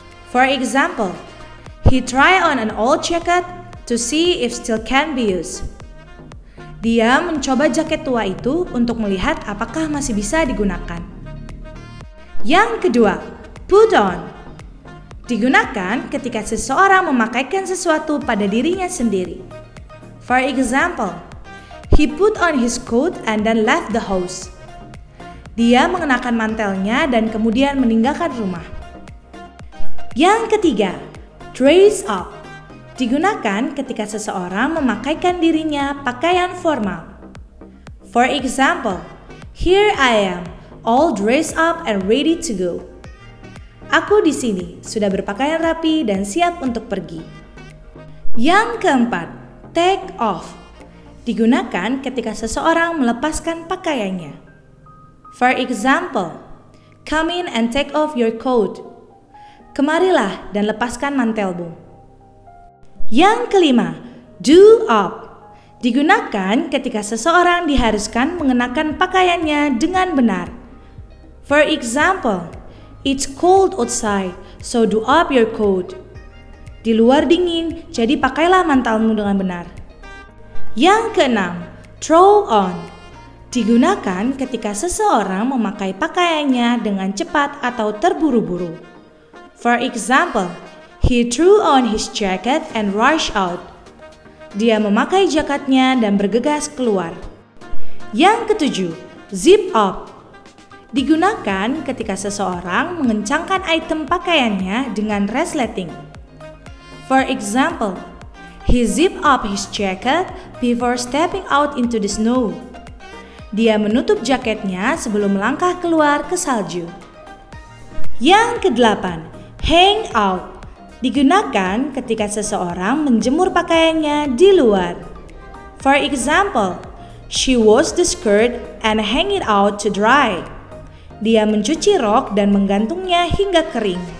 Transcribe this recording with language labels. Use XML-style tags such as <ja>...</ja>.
<en>For example, he tried on an old jacket to see if still can be used.</en> <id>Dia mencoba jaket tua itu untuk melihat apakah masih bisa digunakan. Yang kedua, put on. Digunakan ketika seseorang memakaikan sesuatu pada dirinya sendiri.</id> <en>For example, he put on his coat and then left the house.</en> <id>Dia mengenakan mantelnya dan kemudian meninggalkan rumah. Yang ketiga, dress up. Digunakan ketika seseorang memakaikan dirinya pakaian formal.</id> <en>For example, here I am, all dressed up and ready to go.</en> <id>Aku di sini, sudah berpakaian rapi dan siap untuk pergi. Yang keempat, take off. Digunakan ketika seseorang melepaskan pakaiannya.</id> <en>For example, come in and take off your coat.</en> <id>Kemarilah dan lepaskan mantelmu. Yang kelima, do up. Digunakan ketika seseorang diharuskan mengenakan pakaiannya dengan benar.</id> <en>For example, it's cold outside, so do up your coat.</en> <id>Di luar dingin, jadi pakailah mantelmu dengan benar. Yang keenam, throw on. Digunakan ketika seseorang memakai pakaiannya dengan cepat atau terburu-buru.</id> <en>For example, he threw on his jacket and rushed out.</en> <id>Dia memakai jaketnya dan bergegas keluar. Yang ketujuh, zip up. Digunakan ketika seseorang mengencangkan item pakaiannya dengan resleting.</id> <en>For example, he zipped up his jacket before stepping out into the snow.</en> <id>Dia menutup jaketnya sebelum melangkah keluar ke salju. Yang kedelapan, hang out. Digunakan ketika seseorang menjemur pakaiannya di luar.</id> <en>For example, she washed the skirt and hang it out to dry.</en> <id>Dia mencuci rok dan menggantungnya hingga kering.</id>